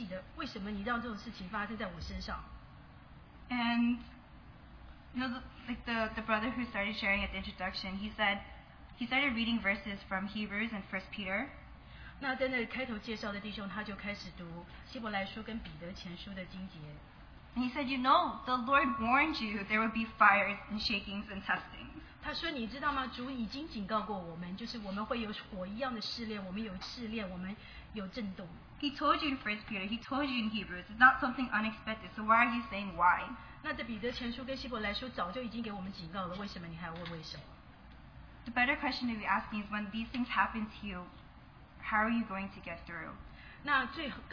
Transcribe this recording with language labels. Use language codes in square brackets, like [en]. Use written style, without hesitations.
[zh] 那平常对主说为什么是应该没有什么问题，但是这种的我现在这个为什么是生气的，为什么你让这种事情发生在我身上。 [en] And you know, like the brother who started sharing at the introduction, he said he started reading verses from Hebrews and 1 Peter. [zh] 那在那开头介绍的弟兄，他就开始读希伯来书跟彼得前书的经节。 [en] And he said, you know, the Lord warned you there would be fires and shakings and testings. [zh] 他说，你知道吗？主已经警告过我们，就是我们会有火一样的试炼，我们有试炼，我们有震动。 [en] He told you in 1 Peter, he told you in Hebrews, it's not something unexpected, so why are you saying why? [zh] 那在彼得前书跟希伯来书早就已经给我们警告了，为什么你还要问为什么？ [en] The better question to be asking is when these things happen to you, how are you going to get through?